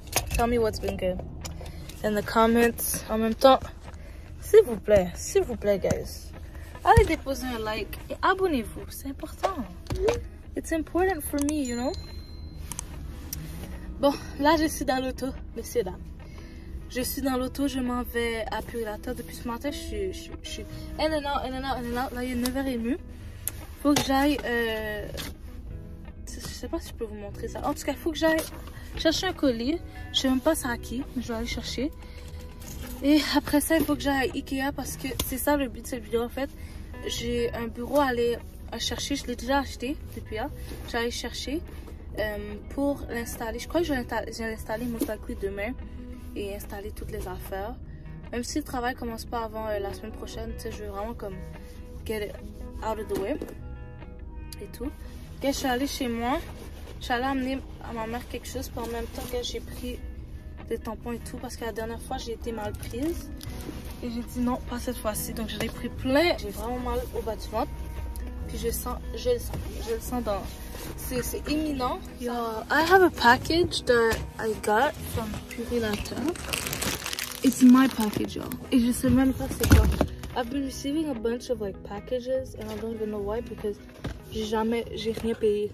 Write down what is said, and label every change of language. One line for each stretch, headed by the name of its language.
English: Tell me what's been good in the comments.
French: En même temps, s'il vous plaît, guys, allez déposer un like et abonnez-vous. C'est important.
English: It's important for me, you know?
French: Bon, là, je suis dans l'auto, messieurs, dames. Je suis dans l'auto, je m'en vais à Purilata. Depuis ce matin, je suis
English: in and out, in and out,
French: in and out. Là, il est 9h30. Faut que j'aille, je sais pas si je peux vous montrer ça. En tout cas, faut que j'aille chercher un colis. Je sais même pas ça à qui, mais je vais aller chercher. Et après ça, il faut que j'aille à Ikea parce que c'est ça le but de cette vidéo en fait. J'ai un bureau à aller à chercher, je l'ai déjà acheté depuis là. J'allais chercher pour l'installer. Je crois que je vais l'installer
English: most likely
French: demain et installer toutes les affaires. Même si le travail commence pas avant la semaine prochaine, tu sais, je veux vraiment comme
English: get it out of the way
French: et tout. Okay, je suis allée chez moi, je suis allée amener à ma mère quelque chose, puis en même temps que okay, j'ai pris des tampons et tout, parce que la dernière fois j'ai été mal prise et j'ai dit non, pas cette fois-ci, donc j'en ai pris plein. J'ai vraiment mal au bas du ventre, puis je le sens dans, c'est imminent.
English: Yo, I have a package that I got from Purilata. It's my package, y'all,
French: et je sais même pas c'est quoi.
English: I've been receiving a bunch of like packages and I don't even know why because
French: j'ai rien payé.